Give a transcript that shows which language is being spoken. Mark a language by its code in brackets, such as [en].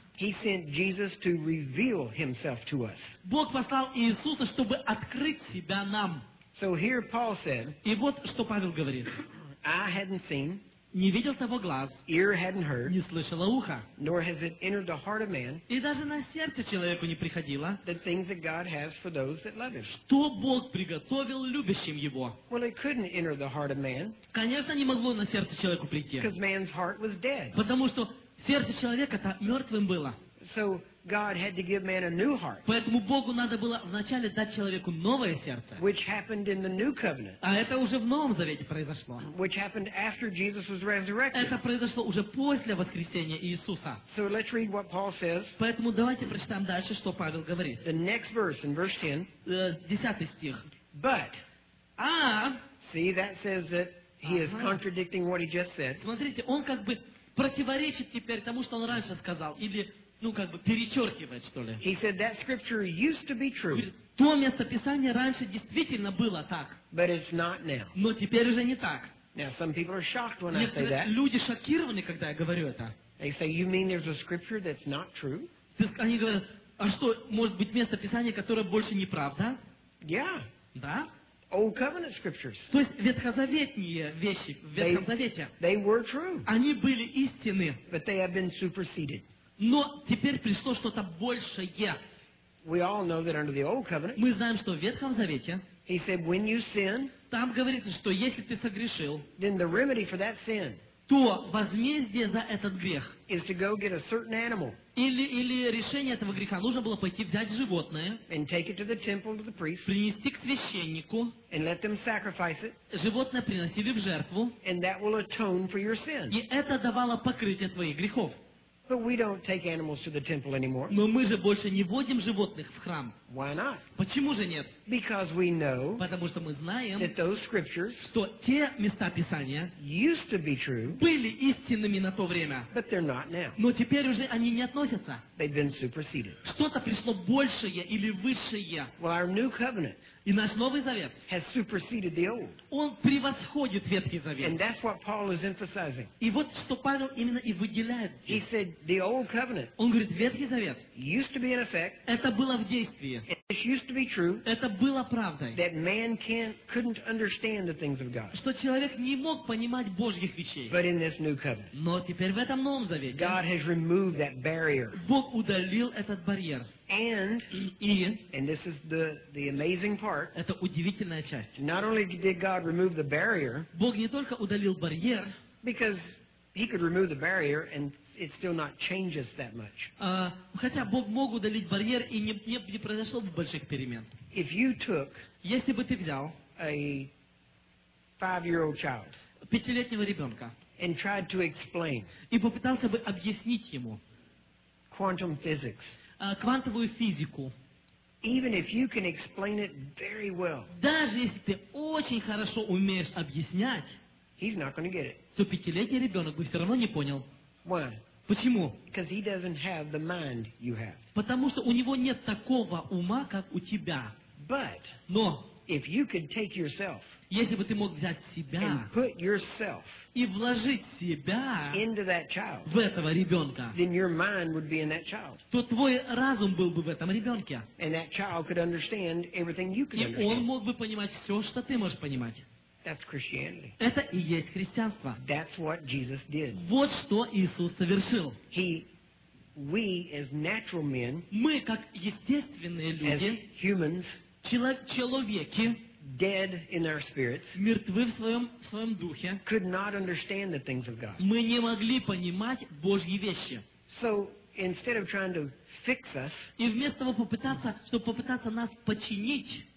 [en] He sent Jesus to reveal himself to us. [ru] Бог послал Иисуса, чтобы открыть себя нам. [en] So here Paul said. [ru] И вот что Павел говорит. [en] I hadn't seen. [ru] Не видел того глаз. [en] Ear hadn't heard. [ru] Не слышало ухо. [en] Nor has it entered the heart of man. [ru] И даже на сердце человеку не приходило. [en] The things that God has for those that love him. [ru] Что Бог приготовил любящим его. [en] Well, it couldn't enter the heart of man. [ru] Конечно, не могло на сердце человеку прийти. [en] Because man's heart was dead. [ru] Потому что сердце человека-то мертвым было. [en] So God had to give man a new heart. [ru] Поэтому Богу надо было вначале дать человеку новое сердце. [en] Which happened in the new covenant. [ru] А это уже в Новом Завете произошло. [en] Which happened after Jesus was resurrected. [ru] Это произошло уже после воскресения Иисуса. [en] So let's read what Paul says. [ru] Поэтому давайте прочитаем дальше, что Павел говорит. [en] The next verse in verse 10. [ru] 10 стих. [en] But. [ru] А. [en] See, that says that he is contradicting what he just said. [ru] Смотрите, он как бы противоречит теперь тому, что он раньше сказал, или как бы перечеркивает, что ли. [en] He said that scripture used to be true. [ru] То место писания раньше действительно было так. [en] But it's not now. [ru] Но теперь уже не так. [en] Now some people are shocked when I say that. [ru] Люди шокированы, когда я говорю это. [en] They say, you mean there's a scripture that's not true? [ru] Они говорят, а что, может быть место писания, которое больше не правда? [en] Yeah. [ru] Да? [en] Old covenant scriptures. [ru] То есть ветхозаветные вещи в Ветхом Завете. [en] They were true. [ru] Они были истинны. [en] But they have been superseded. [ru] Но теперь пришло что-то большее. [en] We all know that under the old covenant, [ru] мы знаем, что в Ветхом Завете [en] he said, when you sin, [ru] там говорится, что если ты согрешил, [en] then the remedy for that sin, [ru] то возмездие за этот грех [en] is to go get a certain animal, [ru] или решение этого греха нужно было пойти взять животное, [en] and take it to the temple to the priest, [ru] принести к священнику, [en] and let them sacrifice it, [ru] животное приносили в жертву, [en] and that will atone for your sin. [ru] И это давало покрытие твоих грехов. [en] But we don't take animals to the temple anymore. [ru] Но мы же больше не водим животных в храм. [en] Why not? [ru] Почему же нет? [en] Because we know. [ru] Потому что мы знаем. [en] That those scriptures. [ru] Что те места Писания. [en] Used to be true. [ru] Были истинными на то время. [en] But they're not now. [ru] Но теперь уже они не относятся. [en] They've been superseded. [ru] Что-то пришло большее или высшее. [en] Well, our new covenant. [ru] И наш Новый Завет. [en] Has superseded the old. [ru] Он превосходит Ветхий Завет. [en] And that's what Paul is emphasizing. [ru] И вот что Павел именно и выделяет. [en] He said the old covenant. [ru] Он говорит, Ветхий Завет. [en] Used to be in effect. [ru] Это было в действии. [en] It used to be true. [ru] Это было правдой. [en] That man couldn't understand the things of God. [ru] Что человек не мог понимать Божьих вещей. [en] But in this new covenant. [ru] Но теперь в этом Новом Завете. [en] God has removed that barrier. [ru] Бог удалил этот барьер. [en] And. And this is the amazing part. [ru] Это удивительная часть. [en] Not only did God remove the barrier. [ru] Бог не только удалил барьер. [en] Because he could remove the barrier and it still not changes that much. [ru] Хотя Бог мог удалить барьер и не произошло бы больших перемен. [en] If you took, [ru] если бы ты взял [en] a 5-year-old child, [ru] пятилетнего ребенка, [en] and tried to explain, [ru] и попытался бы объяснить ему [en] quantum physics, [ru] квантовую физику, [en] Even if you can explain it very well. [ru] Даже если ты очень хорошо умеешь объяснять, [en] he's not going to get it. [ru] То пятилетний ребенок бы все равно не понял. [en] Why? [ru] Почему? [en] Because he doesn't have the mind you have. [ru] Потому что у него нет такого ума, как у тебя. [en] But [ru] но [en] if you could take yourself, [ru] если бы ты мог взять себя [en] and put yourself [ru] и вложить себя [en] into that child, [ru] в этого ребенка, [en] then your mind would be in that child. [ru] То твой разум был бы в этом ребенке. [en] And that child could understand everything you could understand. [ru] И он мог бы понимать все, что ты можешь понимать. [en] That's Christianity. [ru] Это и есть христианство. [en] That's what Jesus did. [ru] Вот что Иисус совершил. [en] We as natural men, [ru] мы как естественные люди, [en] as humans, [ru] человеки, [en] dead in our spirits, [ru] мертвы в своем духе, [en] could not understand the things of God. [ru] Мы не могли понимать Божьи вещи. [en] So instead of trying to fix us, [ru] и вместо того, чтобы попытаться нас починить,